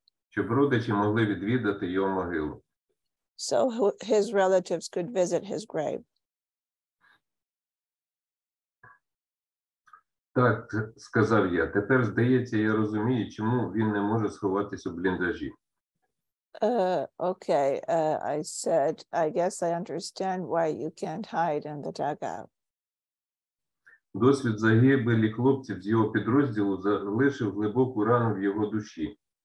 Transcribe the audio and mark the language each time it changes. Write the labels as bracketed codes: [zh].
[uk] Щоб родичі могли відвідати його могилу. [en] So his relatives could visit his grave. [uk] Так, сказав я. Тепер, здається, я розумію, чому він не може сховатись у бліндажі. [en] Okay, I said, I guess I understand why you can't hide in the dugout. [uk] Досвід загибелі хлопців з його підрозділу залишив глибоку рану в його душі.